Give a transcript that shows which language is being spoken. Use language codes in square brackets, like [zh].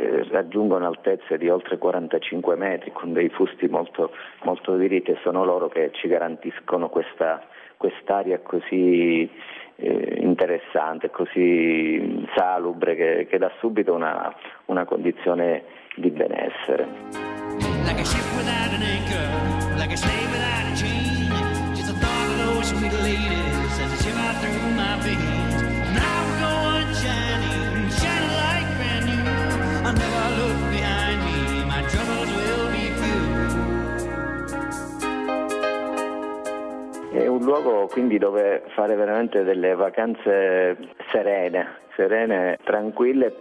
[it] raggiungono altezze di oltre 45 metri con dei fusti molto, molto diritti, e sono loro che ci garantiscono quest'aria così interessante, così salubre, che dà subito una condizione di benessere. [en] Like a ship without an anchor, like a slave without a chain, just a thought of those sweet ladies as a ship out through my veins. Now we're going shining, shining like brand new. I'll never look behind me, my troubles will be few. [it] È un luogo quindi dove fare veramente delle vacanze serene, tranquille.